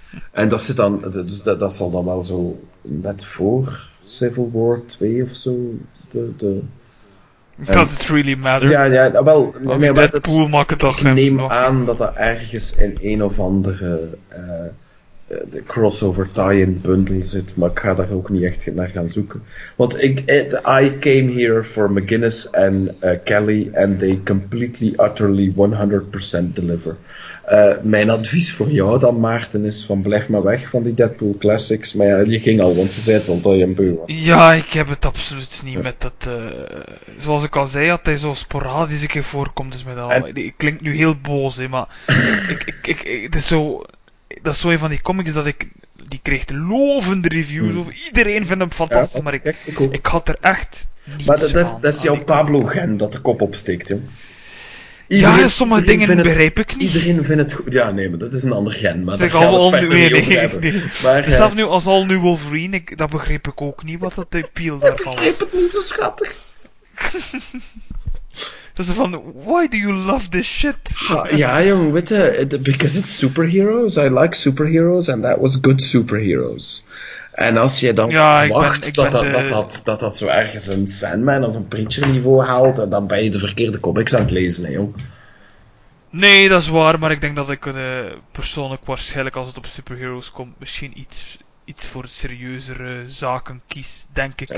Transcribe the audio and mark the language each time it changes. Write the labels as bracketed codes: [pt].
[nl] En dat zit dan, dus dat zal dan wel zo net voor Civil War 2 of zo. [en] Does it really matter? [nl] Ja, wel. Deadpool maakt het toch. Ik neem aan dat dat ergens in een of andere... de crossover tie-in bundle zit, maar ik ga daar ook niet echt naar gaan zoeken. Want [en] I came here for McGuinness and Kelly, and they completely, utterly, 100% deliver. [nl] Mijn advies voor jou dan, Maarten, is van blijf maar weg van die Deadpool Classics, maar ja, je ging al, want je zei het al dat je een beu was. Ja, ik heb het absoluut niet met dat, zoals ik al zei, dat hij zo sporadisch een keer voorkomt, dus met allemaal, ik klink nu heel boos, hè, maar ik het is zo... Dat is zo een van die comics dat ik... Die kreeg lovende reviews over. Iedereen vindt hem fantastisch, ja, maar ik had er echt niets maar dat is, aan. Dat is jouw Pablo Gen dat de kop opsteekt, joh. Iedereen, ja, sommige dingen begrijp ik niet. Iedereen vindt het goed. Ja, nee, maar dat is een ander gen. Maar zeg, daar gaan we het verder niet over hebben. Zelf nu als al nu Wolverine, dat begreep ik ook niet wat dat de appeal daarvan was. Ik begreep het niet zo schattig. Dus van, [en] why do you love this shit? [nl] Ja, jong, weet je, [en] because it's superheroes. I like superheroes and that was good superheroes. [nl] En als je dan wacht dat zo ergens een Sandman of een Preacher niveau haalt, dan ben je de verkeerde comics aan het lezen, hè, jong. Nee, dat is waar, maar ik denk dat ik persoonlijk waarschijnlijk als het op superheroes komt, misschien iets voor serieuzere zaken kies, denk ik.